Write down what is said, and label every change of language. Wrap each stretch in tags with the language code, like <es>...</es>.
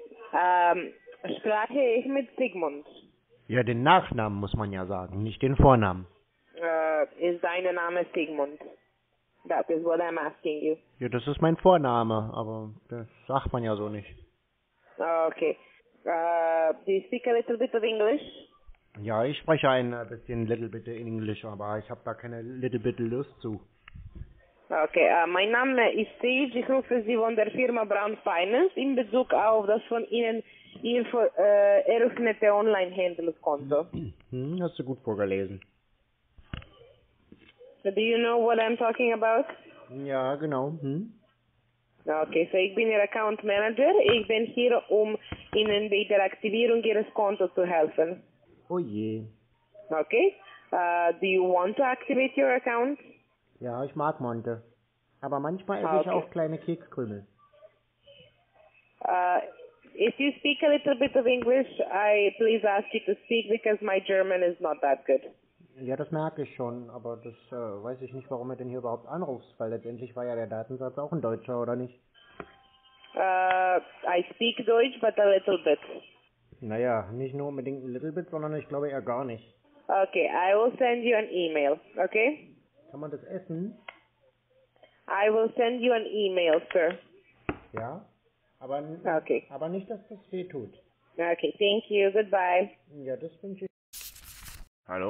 <de>Spreche ich mit Sigmund? Ja, den Nachnamen muss man ja sagen, nicht den Vornamen. Ist dein Name Sigmund?</de> <en>That is what I'm asking you.</en> <de>Ja, das ist mein Vorname, aber das sagt man ja so nicht. Okay.</de> <en>Do you speak a little bit of English?</en> <de>Ja, ich spreche ein bisschen little bit in Englisch, aber ich habe da keine little bit Lust zu. Okay, mein Name ist Sage, ich rufe Sie von der Firma Brown Finance in Bezug auf das von Ihnen eröffnete Online-Händlerskonto. Hast du gut vorgelesen.</de> <en>Do you know what I'm talking about?</en> <de>Ja, genau. Okay, so ich bin Ihr Account Manager. Ich bin hier, um Ihnen bei der Aktivierung Ihres Kontos zu helfen. Oh je.</de> <en>Okay, do you want to activate your account?</en> <de>Ja, ich mag Monte. Aber manchmal esse ich auch kleine Kekskrümel.</de> <en>If you speak a little bit of English, I please ask you to speak because my German is not that good.</en> <de>Ja, das merke ich schon, aber das weiß ich nicht, warum du denn hier überhaupt anrufst, weil letztendlich war ja der Datensatz auch ein Deutscher, oder nicht?</de> <en>I speak Deutsch, but a little bit.</en> <de>Naja, nicht nur unbedingt ein little bit, sondern ich glaube eher gar nicht.</de> <en>Okay, I will send you an email, okay?</en> <de>Kann man das essen?</de> <en>I will send you an email, sir.</en> <de>Ja, aber,</de> <en>okay.</en> <de>Aber nicht, dass das weh tut.</de> <en>Okay, thank you, goodbye.</en> <de>Ja, das wünsche ich. Hallo?</de>